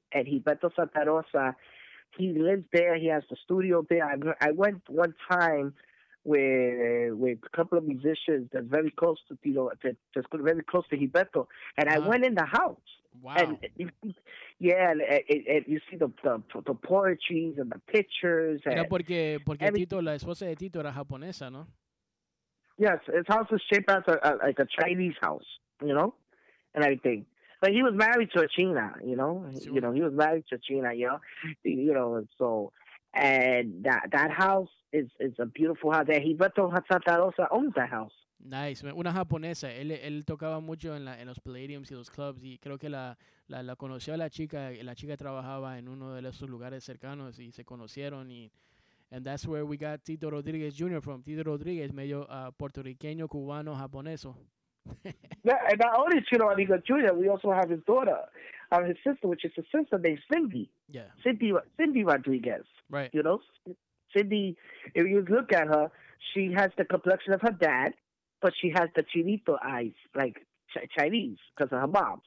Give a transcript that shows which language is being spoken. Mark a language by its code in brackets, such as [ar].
[en] And Gilberto Santa Rosa, he lives there. He has the studio there. I went one time with a couple of musicians that's very close to Tito, that's very close to Gilberto, and I went in the house. Wow. And and you see the poetries and the pictures. And [es] era porque Tito, la esposa de Tito era japonesa, ¿no? [en] Yes, his house is shaped as like a Chinese house, you know, and everything. But he was married to a China, you know. Sure. You know, he was married to a China, you know. So, and that house is a beautiful house. There, Gilberto Santa Rosa owns that house. Nice, man. Una japonesa. [es] Él tocaba mucho en los palladiums y los clubs, y creo que la conoció a la chica. La chica trabajaba en uno de esos lugares cercanos y se conocieron y. [en] And that's where we got Tito Rodríguez Jr. [es] from. Tito Rodríguez, medio puertorriqueño, cubano, japoneso. [en] Yeah, and not only Tito Rodríguez Jr., we also have his daughter, his sister, which is a sister named Cindy. Yeah. Cindy Rodríguez. Right. You know, Cindy, if you look at her, she has the complexion of her dad, but she has the Chinito eyes, like Chinese, because of her mom.